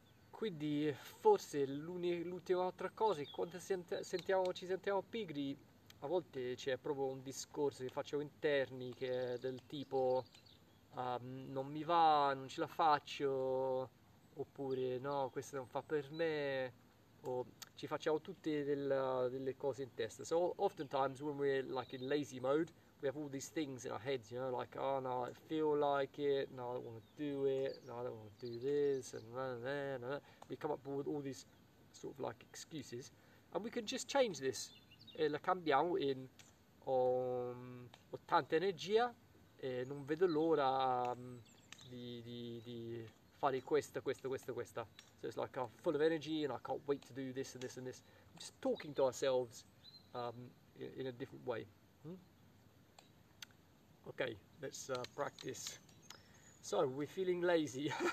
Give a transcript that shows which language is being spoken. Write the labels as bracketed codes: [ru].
[it] Quindi forse l'ultima altra cosa è che quando ci sentiamo pigri, a volte c'è proprio un discorso che facciamo interni che è del tipo non mi va, non ce la faccio, oppure no, questo non fa per me, o ci facciamo tutte delle cose in testa. [en] So oftentimes when we're like in lazy mode, we have all these things in our heads, you know, like, oh no, I feel like it, no, I don't want to do it, no, I don't want to do this, and blah, blah, blah. We come up with all these sort of like excuses, and we can just change this. [it] E la cambiamo in, ho tanta energia, e non vedo l'ora di fare questa. [en] So it's like, I'm full of energy, and I can't wait to do this and this and this. I'm just talking to ourselves in a different way. Okay, let's practice. So, we're feeling lazy.